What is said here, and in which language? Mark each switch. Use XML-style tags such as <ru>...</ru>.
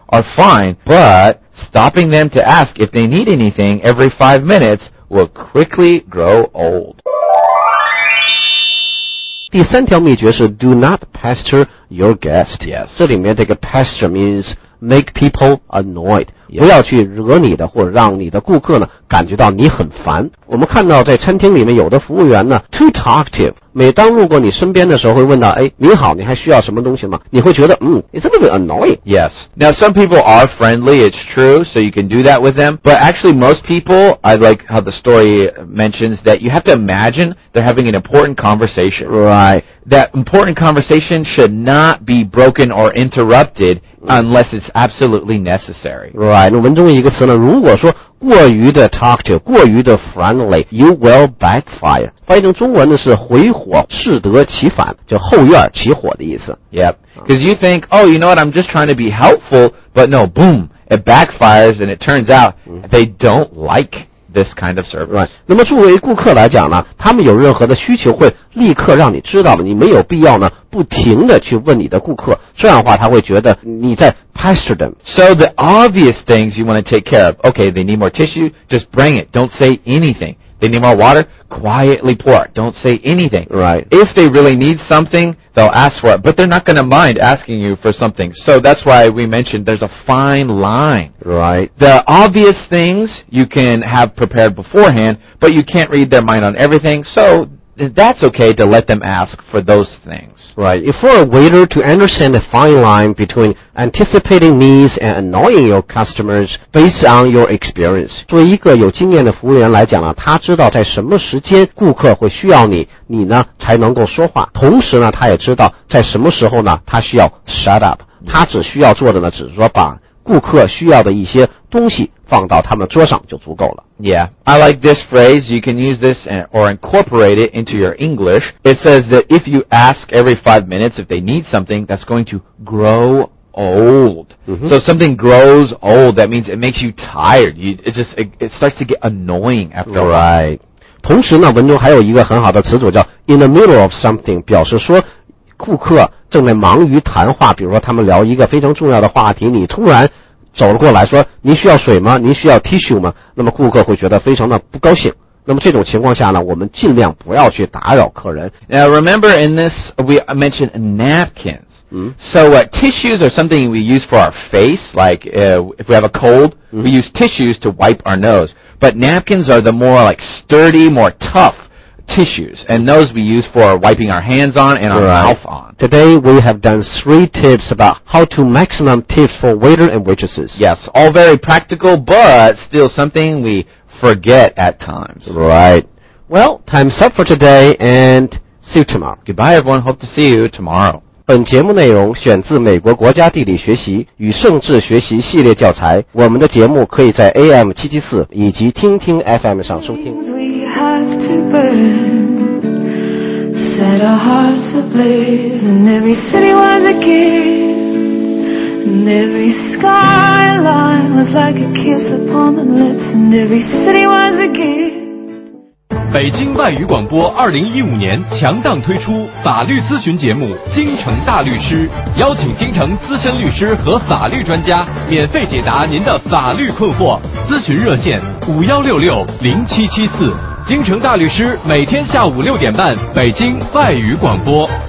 <en>are fine, but stopping them to ask if they need anything every 5 minutes will quickly grow old.</en> <zh>第三条秘诀是</zh> <en>do not pester your guest. Yes.</en> <zh>这里面这个</zh> <en>pester means make people annoyed.</en> <zh>不要去惹你的或者让你的顾客呢感觉到你很烦。我们看到在餐厅里面有的服务员呢</zh> <en>too talkative，</en> <zh>每当路过你身边的时候会问到，哎，你好，你还需要什么东西吗？你会觉得</zh> <en>it's a little bit annoying. Yes. Now some people are friendly, it's true, so you can do that with them. But actually most people, I like how the story mentions that you have to imagine they're having an important conversation. Right. That important conversation should not be broken or interrupted unless it's absolutely necessary.</en> <zh>Right, 那文中一个词呢，如果说过于的 talkative, 过于的 friendly,</zh> <en>you will backfire.</en> <zh>翻译成中文呢是回火适得其反，就后院起火的意思。</zh> <en>Yep, because you think, oh, you know what, I'm just trying to be helpful, but no, boom, it backfires and it turns out they don't like this kind of service.</en> <zh>Right, 那么作为顾客来讲呢，他们有任何的需求会立刻让你知道的，你没有必要呢不停的去问你的顾客，这样的话他会觉得你在</zh> <en>pester them. So the obvious things you want to take care of, okay, they need more tissue, just bring it, don't say anything. They need more water, quietly pour, don't say anything. Right. If they really need something, they'll ask for it, but they're not going to mind asking you for something. So that's why we mentioned there's a fine line. Right. The obvious things you can have prepared beforehand, but you can't read their mind on everything, so... That's okay to let them ask for those things. Right. If for a waiter to understand the fine line between anticipating needs and annoying your customers based on your experience.</en> <zh>作为一个有经验的服务员来讲呢，他知道在什么时间顾客会需要你，你呢才能够说话。同时呢，他也知道在什么时候呢，他需要</zh> <en>shut up.</en> <zh>他只需要做的呢，只是说把顾客需要的一些东西放到他们桌上就足够了。</zh> <en>Yeah, I like this phrase. You can use this or incorporate it into your English. It says that if you ask every 5 minutes if they need something, that's going to grow old. Mm-hmm. So something grows old, that means it makes you tired. It starts to get annoying after a while. Right.</en> <zh>同时呢，文中还有一个很好的词组叫</zh> <en>in the middle of something,</en> <zh>表示说顾客正在忙于谈话，比如说他们聊一个非常重要的话题，你突然走了过来说您需要水吗？您需要 tissue 吗？那么顾客会觉得非常的不高兴。那么这种情况下呢，我们尽量不要去打扰客人。</zh> <en>Now remember in this we mentioned napkins. So tissues are something we use for our face, like if we have a cold, we use tissues to wipe our nose. But napkins are the more like sturdy, more toughtissues, and those we use for wiping our hands on and our mouth on. Today we have done 3 tips about how to maximum tips for waiter and waitresses. Yes, all very practical, but still something we forget at times. Right. Well, time's up for today, and see you tomorrow. Goodbye, everyone. Hope to see you tomorrow.</en> <zh>本节目内容选自美国国家地理学习与政治学习系列教材。我们的节目可以在 AM 774以及听听 FM 上收听。</zh> <en>Burn, set our hearts ablaze, and every city was a king. And every skyline was like a kiss upon the lips, and every city was a gift。</en> <zh>北京外语广播2015年强档推出法律咨询节目《京城大律师》，邀请京城资深律师和法律专家免费解答您的法律困惑。咨询热线5166-0774。京城大律师每天下午6点半，北京外语广播。</zh>